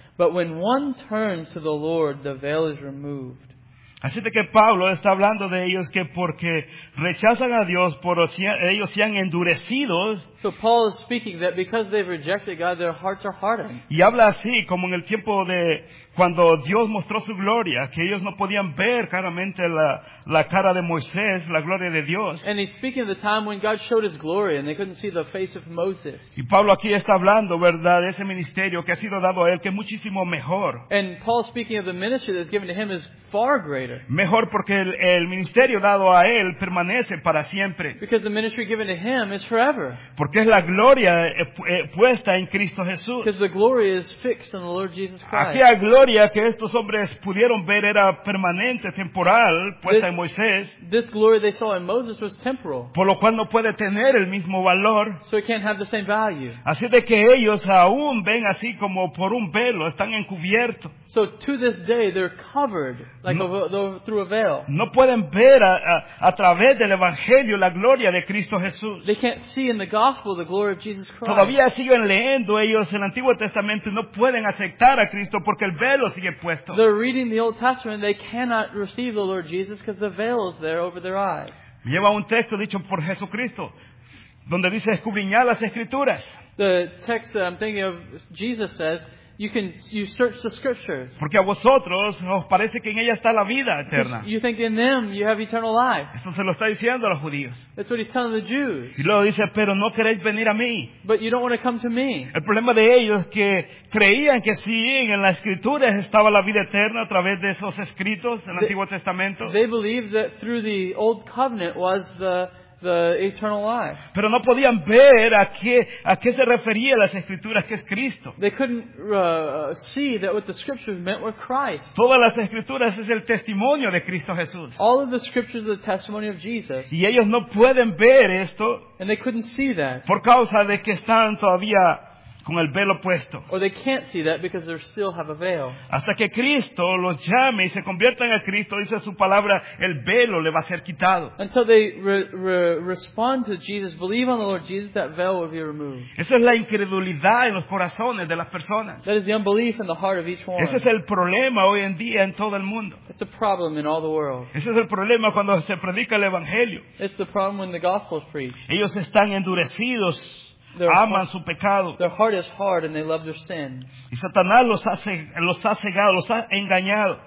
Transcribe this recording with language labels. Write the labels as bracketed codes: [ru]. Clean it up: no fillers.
[en] But when one turns to the Lord, the veil is removed. [es] Así de que Pablo está hablando de ellos que porque rechazan a Dios, por ellos se han endurecido. [en] So Paul is speaking that because they've rejected God, their hearts are hardened. [es] Y habla así, como en el tiempo de cuando Dios mostró su gloria, que ellos no podían ver claramente la cara de Moisés, la gloria de Dios. [en] And he's speaking of the time when God showed his glory and they couldn't see the face of Moses. [es] Y Pablo aquí está hablando, ¿verdad?, de ese ministerio que ha sido dado a él, que es muchísimo mejor. [en] And Paul speaking of the ministry that's given to him is far greater. [es] Mejor porque el ministerio dado a él permanece para siempre. [en] Because the ministry given to him is forever. [es] Porque es la gloria puesta en Cristo Jesús. [en] Because the glory is fixed in the Lord Jesus Christ. [es] Aquella gloria que estos hombres pudieron ver era permanente, temporal, puesta en Moisés. [en] This glory they saw in Moses was temporal. [es] Por lo cual no puede tener el mismo valor. [en] So it can't have the same value. [es] Así de que ellos aún ven así como por un velo, están encubiertos. [en] So to this day they're covered like through a veil. [es] No pueden ver a través del Evangelio la gloria de Cristo Jesús. [en] They can't see in the gospel the glory of Jesus Christ. [es] Todavía siguen leyendo ellos el Antiguo Testamento y no pueden aceptar a Cristo porque el velo sigue puesto. [en] They're reading the Old Testament, they cannot receive the Lord Jesus because the veil is there over their eyes. [es] Lleva un texto dicho por Jesucristo donde dice escudriñar las escrituras. [en] The text that I'm thinking of, Jesus says, You search the scriptures. [es] Porque a vosotros os parece que en ellas está la vida eterna. [en] You think in them you have eternal life. [es] Eso se lo está diciendo a los judíos. [en] That's what he's telling the Jews. [es] Y luego dice, pero no queréis venir a mí. [en] But you don't want to come to me. [es] El problema de ellos es que creían que sí, en las escrituras estaba la vida eterna a través de esos escritos del Antiguo Testamento. [en] They believed that through the old covenant was the the eternal life. [es] Pero no podían ver a qué se refería las escrituras, que es Cristo. [en] They couldn't see that what the scriptures meant were Christ. [es] Todas las escrituras es el testimonio de Cristo Jesús. [en] All of the scriptures are the testimony of Jesus. [es] Y ellos no pueden ver esto. [en] And they couldn't see that. [es] Por causa de que están todavía con el velo puesto. [en] Or they can't see that because they still have a veil. [es] Hasta que Cristo los llame y se conviertan a Cristo, dice su palabra, el velo le va a ser quitado. [en] Until they respond to Jesus, believe on the Lord Jesus, that veil will be removed. [es] Esa es la incredulidad en los corazones de las personas. [en] That is the unbelief in the heart of each one. [es] Ese es el problema hoy en día en todo el mundo. [en] It's a problem in all the world. [es] Ese es el problema cuando se predica el evangelio. [en] It's the problem when the gospel is preached. [es] Ellos están endurecidos. Aman su pecado. [en] Their heart is hard and they love their sin. [es] Y Satanás los ha cegado, los ha engañado.